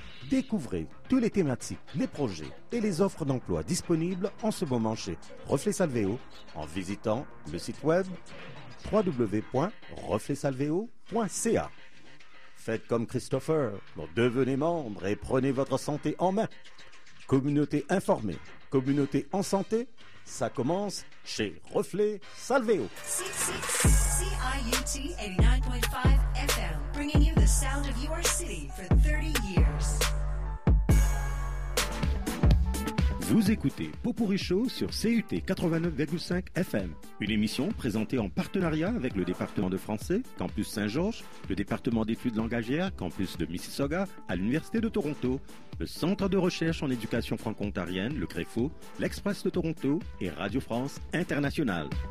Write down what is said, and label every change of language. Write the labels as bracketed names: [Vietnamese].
[French] Découvrez toutes les thématiques, les projets et les offres d'emploi disponibles en ce moment chez Reflet Salvéo en visitant le site web www.reflet-salvéo.ca. Faites comme Christopher, devenez membre et prenez votre santé en main. Communauté informée, communauté en santé, ça commence chez Reflet Salvéo. [English] CIUT 89.5 FM, bringing you the sound of your city for 30 years. [French] Vous écoutez Potpourri Show sur CUT 89,5 FM, une émission présentée en partenariat avec le département de français, campus Saint-Georges, le département d'études langagières, campus de Mississauga, à l'Université de Toronto, le Centre de recherche en éducation franco-ontarienne, le CREFO, l'Express de Toronto et Radio France Internationale.